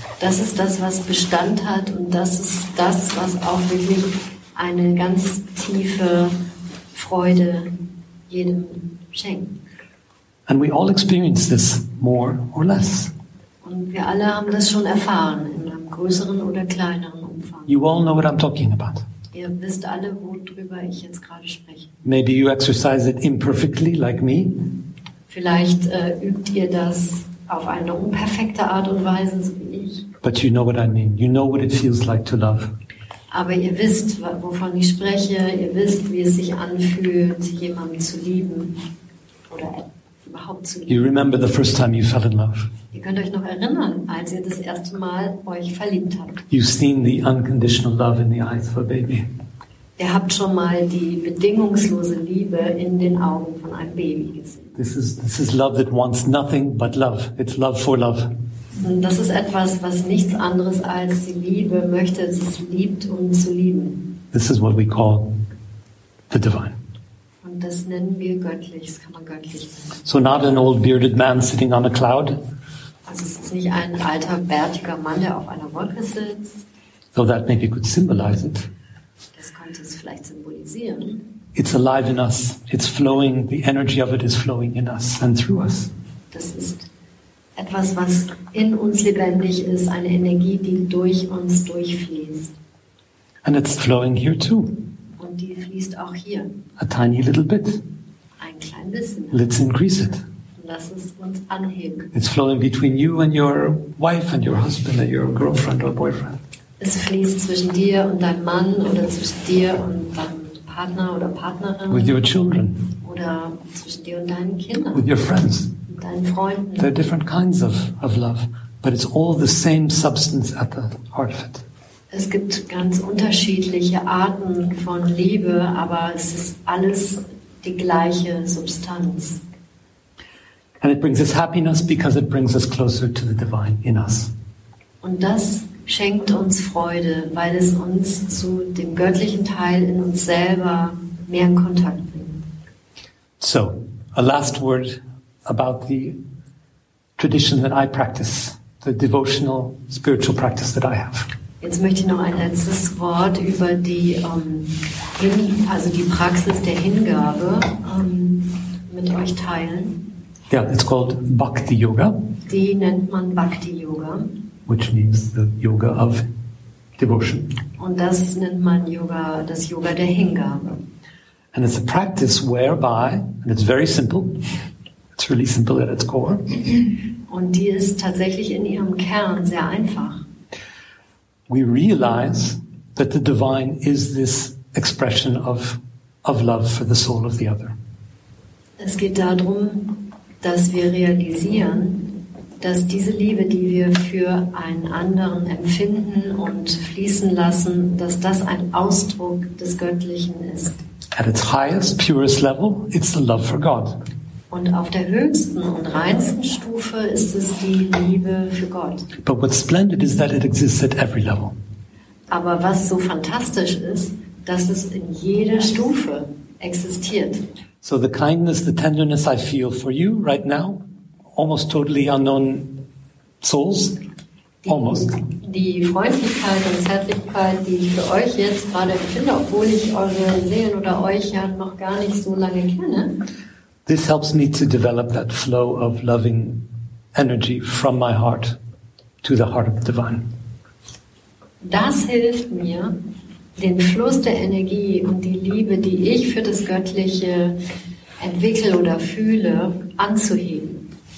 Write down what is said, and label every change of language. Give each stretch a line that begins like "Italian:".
German: Das ist das, was Bestand hat, und das ist das, was auch wirklich eine ganz tiefe Freude jedem schenkt.
English: And we all experience this more or less.
German: Und wir alle haben das schon erfahren, in einem größeren oder kleineren Umfang.
English: You all know what I'm talking about.
German: Ihr wisst alle, worüber ich jetzt gerade spreche.
English: Maybe you exercise it imperfectly, like me.
German: Vielleicht übt ihr das auf eine unperfekte Art und Weise, so wie ich.
English: But you know what I mean. You know what it feels like to love.
German: Aber ihr wisst, wovon ich spreche. Ihr wisst, wie es sich anfühlt, jemanden zu lieben oder überhaupt zu lieben.
English: You remember the first time you fell in love.
German: Ihr könnt euch noch erinnern, als ihr das erste Mal euch verliebt habt.
English: You've seen the unconditional love in the eyes of a baby.
German: Ihr habt schon mal die bedingungslose Liebe in den Augen von einem Baby gesehen.
English: This is love that wants nothing but love. It's love for love.
German: Und das ist etwas, was nichts anderes als die Liebe möchte, es liebt, um zu lieben.
English: This is what we call the divine.
German: Und das nennen wir göttlich, das kann man göttlich nennen.
English: So not an old bearded man sitting on a cloud.
German: Also es ist nicht ein alter, bärtiger Mann, der auf einer Wolke sitzt.
English: So that maybe could symbolize it.
German: Das könnte es vielleicht symbolisieren.
English: It's alive in us. It's flowing. The energy of it is flowing in us and through us.
German: Das ist etwas, was in uns lebendig ist, eine Energie, die durch uns durchfließt.
English: And it's flowing here too.
German: Und die fließt auch hier.
English: A tiny little bit.
German: Ein klein bisschen.
English: Let's increase it.
German: Lass es uns anheben.
English: It's flowing between you and your wife and your husband and your girlfriend or boyfriend.
German: Es fließt zwischen dir und deinem Mann oder zwischen dir und deinem Partner oder Partnerin.
English: With your children.
German: Oder zwischen dir und deinen Kindern.
English: With your friends.
German: Deinen Freunden.
English: There are different kinds of love, but it's all the same substance at the heart of it.
German: Es gibt ganz unterschiedliche Arten von Liebe, aber es ist alles die gleiche Substanz.
English: And it brings us happiness because it brings us closer to the divine in us.
German: Und das schenkt uns Freude, weil es uns zu dem göttlichen Teil in uns selber mehr in Kontakt bringt.
English: So, a last word about the tradition that I practice, the devotional spiritual practice that I have.
German: Jetzt möchte ich noch ein letztes Wort über die die Praxis der Hingabe mit euch teilen.
English: Yeah, it's called Bhakti Yoga.
German: Die nennt man Bhakti Yoga.
English: Which means the yoga of devotion.
German: Und das nennt man Yoga, das Yoga der Hingabe.
English: And it's a practice whereby, and it's very simple, it's really simple at its core.
German: Und die ist tatsächlich in ihrem Kern sehr einfach.
English: We realize that the divine is this expression of love for the soul of the other.
German: Es geht darum, dass wir realisieren, dass diese Liebe, die wir für einen anderen empfinden und fließen lassen, dass das ein Ausdruck des Göttlichen ist.
English: At its highest, purest level, it's the love for God.
German: Und auf der höchsten und reinsten Stufe ist es die Liebe für Gott.
English: But what's splendid is that it exists at every level.
German: Aber was so fantastisch ist, dass es in jeder Stufe existiert.
English: So the kindness, the tenderness I feel for you right now, almost totally unknown souls, almost.
German: Die Freundlichkeit und Zärtlichkeit, die ich für euch jetzt gerade empfinde, obwohl ich eure Seelen oder euch ja noch gar nicht so lange kenne.
English: This helps me to develop that flow of loving energy from my heart to the heart of the divine.
German: Das hilft mir, den Fluss der Energie und die Liebe, die ich für das Göttliche entwickle oder fühle, anzuheben.